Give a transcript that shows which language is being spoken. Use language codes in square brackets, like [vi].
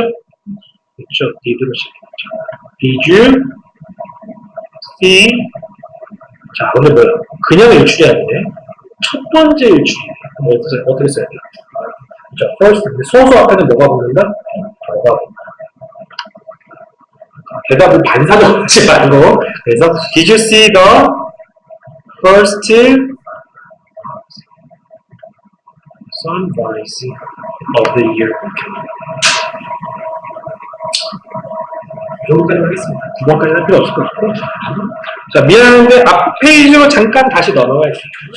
[ko] 그렇죠. Did로 시작했죠. [en] Did you see? [ko] 자, 근데 뭐야? 그냥 일출이 아니네. 첫 번째 일출. 어떻게 써야 돼요? 자, first. 소수 앞에는 뭐가 보인다? 뭐가 보인다. 대답을 반사적으로 하지 말고. [en] 그래서, Did you see the first sunrise of the year? [ko] 여기까지 하겠습니다. 두 번까지 할 필요 없을 것 같고. 자, 미안한데, 앞 페이지로 잠깐 다시 넘어가 있습니다.